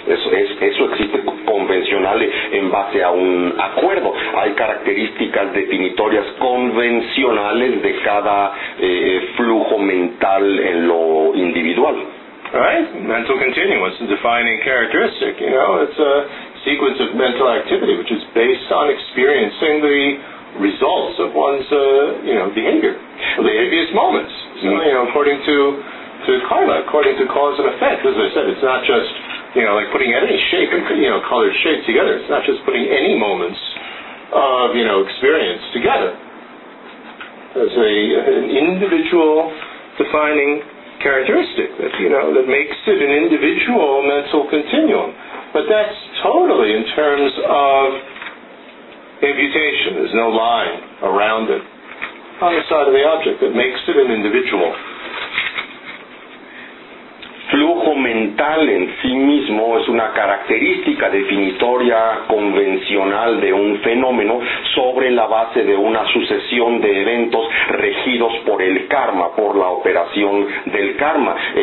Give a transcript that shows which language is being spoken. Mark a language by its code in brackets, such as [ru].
[es] Eso existe convencional en base a un acuerdo. Hay características definitorias convencionales de cada flujo mental en lo individual. [en] Right, mental continuum is a defining characteristic. You know, it's a sequence of mental activity which is based on experiencing the results of one's behavior, the previous moments. So, you know, according to karma, according to cause and effect. As I said, it's not just, you know, like putting any shape and, you know, colored shape together. It's not just putting any moments of, you know, experience together. As an individual defining characteristic that, you know, that makes it an individual mental continuum. But that's totally in terms of imputation. There's no line around it on the side of the object that makes it an individual. [es] Flujo mental en sí mismo es una característica definitoria convencional de un fenómeno sobre la base de una sucesión de eventos regidos por el karma, por la operación del karma.